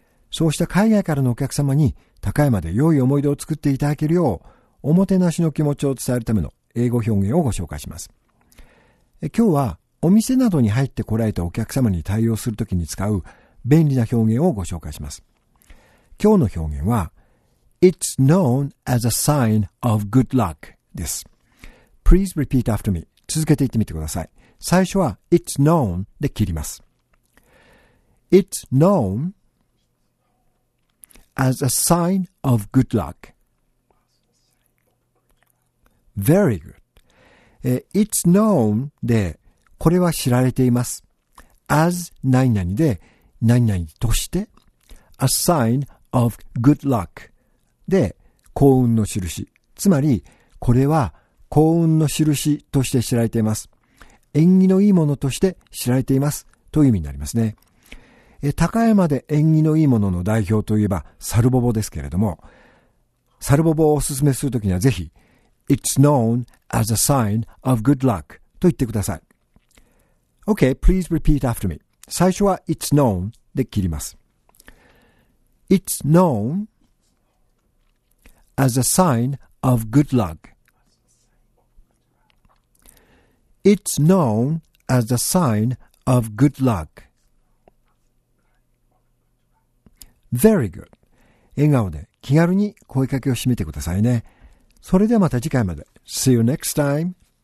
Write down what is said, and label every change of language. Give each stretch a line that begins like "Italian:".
Japanese: そうした海外からのお客様に高山で良い思い出を作っていただけるよう、おもてなしの気持ちを伝えるための英語表現をご紹介します。今日はお店などに入ってこられたお客様に対応するときに使う便利な表現をご紹介します。今日の表現は、
English: It's known as a sign of good luck
Japanese: です。
English: Please repeat after me.
Japanese: 続けて言ってみてください。最初は
English: It's known
Japanese: で切ります。
English: It's known as a sign of good luck. Very good. It's known
Japanese: でこれは知られています。
English: As
Japanese: 何々で何々として
English: A sign of good luck.
Japanese: で、幸運の印。つまり、これは幸運の印として知られています。縁起のいいものとして知られています。という意味になりますね。高山で縁起のいいものの代表といえば、サルボボですけれども、サルボボをおすすめするときにはぜひ、
English: It's known as a sign of good luck
Japanese: と言ってください。
English: Okay, please repeat after me.
Japanese: 最初は
English: It's known
Japanese: で切ります。
English: It's knownas a sign of good luck. It's known as a sign of good luck. Very good.
Japanese: 笑顔で気軽に声かけをしてみてくださいね。それではまた次回まで。
English: See you next time.